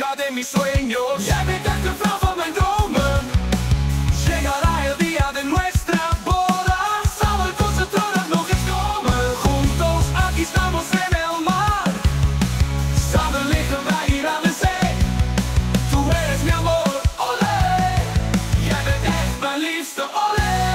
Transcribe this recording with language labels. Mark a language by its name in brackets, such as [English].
[Spanish] Mis sueños. [Dutch] Jij bent echt de vrouw van mijn dromen. [Spanish] Llegará el día de nuestra boda. [Dutch] Zal het onze trouwdag nog eens komen? [Spanish] Juntos aquí estamos en el mar. [Dutch] Samen liggen wij hier aan de zee. [Spanish] Tú eres mi amor, olé. [Dutch] Jij bent echt mijn liefste, olé.